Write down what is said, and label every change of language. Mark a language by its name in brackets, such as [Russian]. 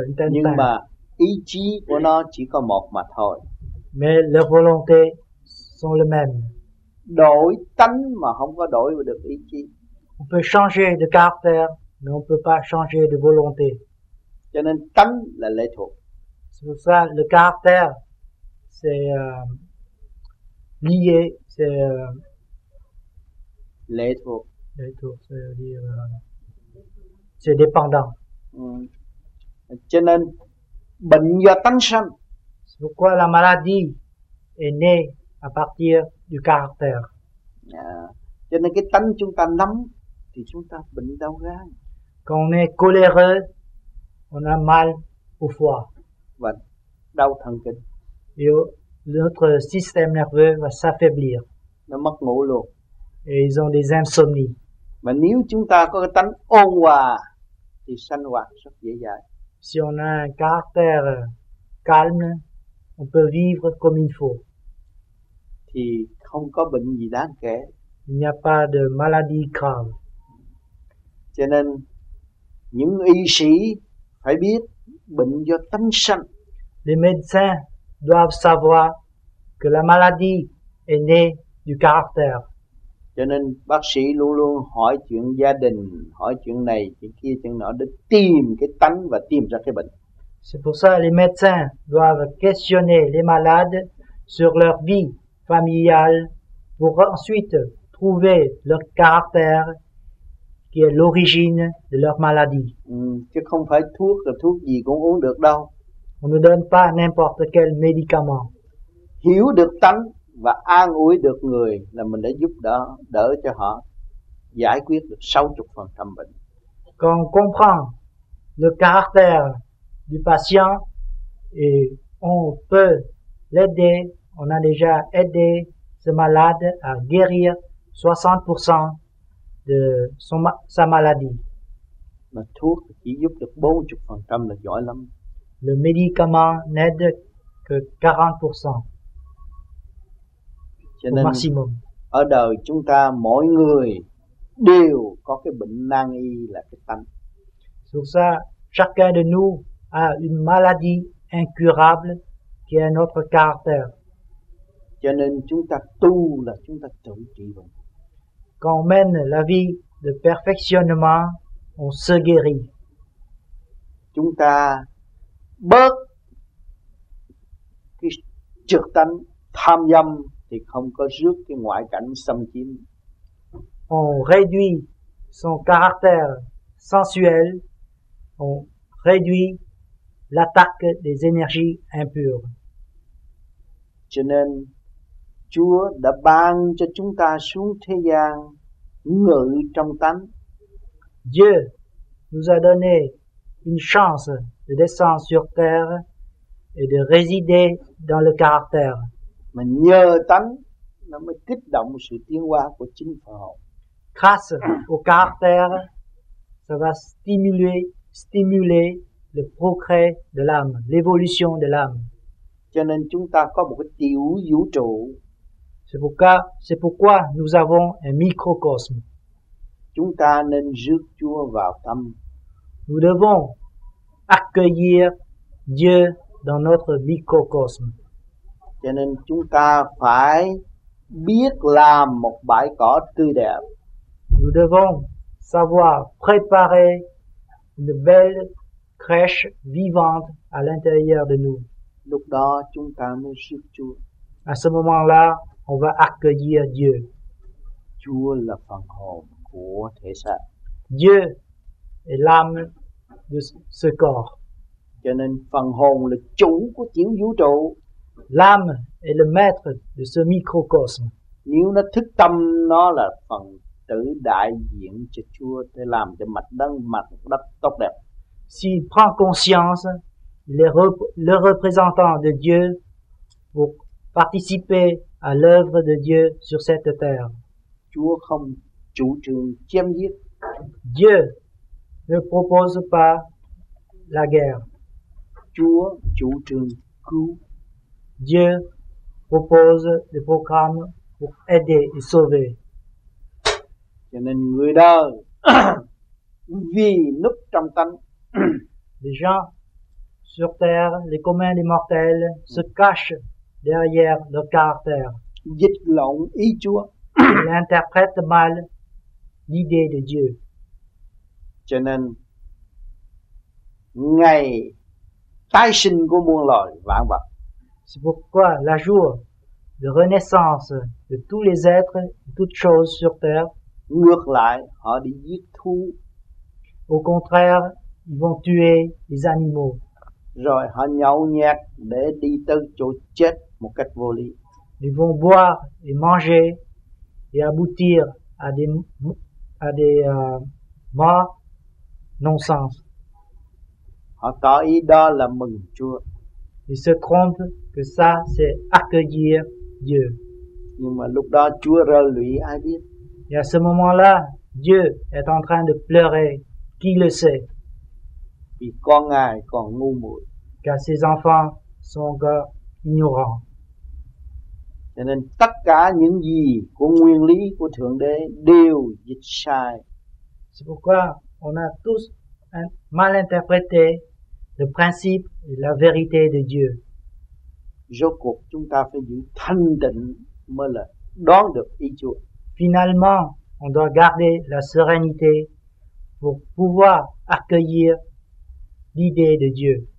[Vietnamese] Nhưng mà ý chí của nó chỉ có một mà thôi. [French] Mais leur volonté sont le même. [Vietnamese] Đổi tánh mà không có đổi được ý chí. [French] On peut changer de caractère, mais on peut pas changer de volonté. [Vietnamese] Cho nên tánh là lệ thuộc. [French] C'est pour ça le caractère c'est lié, c'est [Vietnamese] lệ thuộc. Lệ thuộc, [French] c'est-à-dire c'est dépendant. [Vietnamese] Cho nên bệnh do tánh sanh. [French] C'est pourquoi la maladie est née à partir du caractère. [Vietnamese] Cho nên cái tánh chúng ta nắm thì chúng ta bệnh đau gan. [French] Quand on est coléreux, on a mal au foie. [Vietnamese] Và đau thần kinh. [French] Et notre système nerveux va s'affaiblir. [Vietnamese] Nó mất ngủ luôn. [French] Et ils ont des insomnies. [Vietnamese] Mà nếu chúng ta có cái tánh ôn hòa thì sanh hoạt rất dễ dàng. [French] Si on a un caractère calme, on peut vivre comme il faut. [Vietnamese] Thì không có bệnh gì đáng kể. [French] Il n'y a pas de maladie grave. [Vietnamese] Cho nên những y sĩ phải biết bệnh do tánh sanh. [French] Les médecins doivent savoir que la maladie [English] And then you go up there. [Vietnamese] Cho nên bác sĩ luôn luôn hỏi chuyện gia đình, hỏi chuyện này, chuyện kia, chuyện nọ để tìm cái tánh và tìm ra cái bệnh. [French] C'est pour ça les médecins doivent questionner les malades sur leur vie familiale pour ensuite trouver leur caractère qui est l'origine de leur maladie. [Vietnamese] Chứ không phải thuốc là thuốc gì cũng uống được đâu. [French] On ne donne pas n'importe quel médicament. [Vietnamese] Hiểu được tánh và an ủi được người là mình đã giúp đỡ đỡ cho họ giải quyết được 60% bệnh. [French] Quand on comprend le caractère du patient et on peut l'aider, on a déjà aidé ce malade à guérir 60% de son sa maladie. [Vietnamese] Mà thuốc chỉ giúp được 40% là giỏi lắm. [French] Le médicament n'aide que 40%. [Vietnamese] Cho nên maximum. Ở đời chúng ta mỗi người đều có cái bệnh nan y là cái tâm. [French] Sur ça, chacun de nous a une maladie incurable qui est notre caractère. [Vietnamese] Cho nên chúng ta tu là chúng ta tự trị bệnh. [French] Quand on mène la vie de perfectionnement, on se guérit. [Vietnamese] Chúng ta bớt cái trược tánh tham dâm thì không có rước cái ngoại cảnh xâm chiếm. [French] On réduit son caractère sensuel, on réduit l'attaque des énergies impures. [Vietnamese] Cho nên Chúa đã ban cho chúng ta xuống thế gian ngự trong tánh. [French] Dieu nous a donné une chance de descendre sur terre et de résider dans le caractère. [Vietnamese] Mà nhờ tánh nó mới kích động sự tiến hóa của chính phần hồn. [French] Grâce au caractère, ça va stimuler le progrès de l'âme, l'évolution de l'âme. [Vietnamese] Cho nên chúng ta có một cái tiểu vũ trụ. [French] C'est pourquoi nous avons un microcosme. [Vietnamese] Chúng ta nên rước Chúa vào tâm. [French] Nous devons accueillir Dieu dans notre microcosme. [Vietnamese] Cho nên chúng ta phải biết làm một bãi cỏ tươi đẹp. [French] Nous devons savoir préparer une belle crèche vivante à l'intérieur de nous. [Vietnamese] Lúc đó chúng ta mới rước Chúa. [French] À ce moment-là, on va accueillir Dieu. [Vietnamese] Chúa là phần hồn của thể xác. [French] Dieu est l'âme de ce corps. [Vietnamese] Cho nên phần hồn là chủ của tiểu vũ trụ. [French] L'âme est le maître de ce microcosme. [Vietnamese] Nếu nó thức tâm, nó là phần tử đại diện cho Chúa để làm cho mặt đất tốt đẹp. [French] S'il prend conscience, le représentant de Dieu pour participer à l'œuvre de Dieu sur cette terre. [Vietnamese] Chúa không chủ trương chém giết. [French] Dieu ne propose pas la guerre. [Vietnamese] Chúa chủ trương cứu. [French] Dieu propose des programmes pour aider et sauver. [Vietnamese] Cho nên người đời vì núp trong tâm. [French] Les gens sur terre, les communs, les mortels se cachent derrière leur caractère. [Vietnamese] Dịch lộn ý Chúa. [French] Ils interprètent mal l'idée de Dieu. [Vietnamese] Cho nên ngày tái sinh của muôn loài vạn vật. [French] C'est pourquoi la jour de renaissance de tous les êtres et toutes choses sur terre. [Vietnamese] Ngược lại, họ đi giết thú. [French] Au contraire, ils vont tuer les animaux. [Vietnamese] Rồi họ nhậu nhẹt để đi tới chỗ chết một cách vô lý. [French] Ils vont boire et manger et aboutir à des morts non-sens. [Vietnamese] Họ tỏ ý đó là mừng Chúa. [French] Ils se trompent que ça c'est accueillir Dieu. [Vietnamese] Nhưng mà lúc đó Chúa rơi lụy ai biết. [French] Et à ce moment-là, Dieu est en train de pleurer. Qui le sait? [Vietnamese] Vì con ngài còn ngu muội. [French] Car ses enfants sont encore ignorants. [Vietnamese] Cho nên tất cả những gì của nguyên lý của Thượng Đế đều dịch sai. [French] C'est pourquoi on a tous mal interprété le principe et la vérité de Dieu. [Vietnamese] Rốt cuộc chúng ta phải giữ thanh tịnh Mala, đoán được ý Chúa. [French] Finalement, on doit garder la sérénité pour pouvoir accueillir l'idée de Dieu.